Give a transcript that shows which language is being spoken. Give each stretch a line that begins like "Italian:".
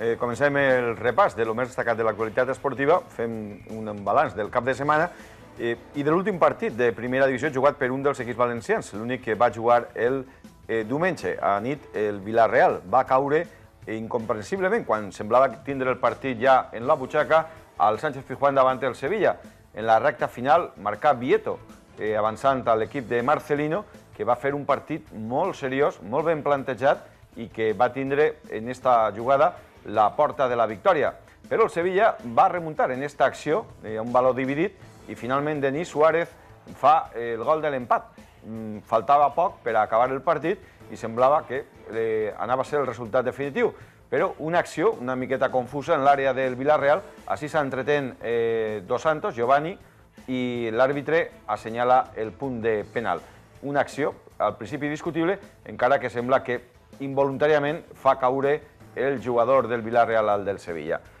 Catalan: Comencem el repàs de lo més destacat de l'actualitat esportiva. Fem un balanç del cap de setmana i de l'últim partit de primera divisió jugat per un dels equips valencians, l'únic que va jugar el diumenge a nit, el Villarreal. Va caure
Spanish: incomprensiblemente, cuando semblaba tindre el partido ya en la butxaca, al Sánchez Pizjuán davante del Sevilla. En la recta final marcó Vieto, avanzando al equipo de Marcelino, que va a hacer un partido muy serios, muy bien plantejado y que va a tindre en esta jugada la puerta de la victoria. Pero el Sevilla va a remontar en esta acción, un balón dividido, y finalmente Denis Suárez
Catalan: fa el gol del empat. Faltaba poc per acabar el partit i semblava que anava a ser el resultat definitiu. Però una acció una miqueta confusa en l'àrea del Villarreal. Així s'entretén Dos Santos, Giovanni, i l'àrbitre assenyala el punt de penal. Una acció al principi discutible, encara que sembla que involuntàriament fa caure el jugador del Villarreal al del Sevilla.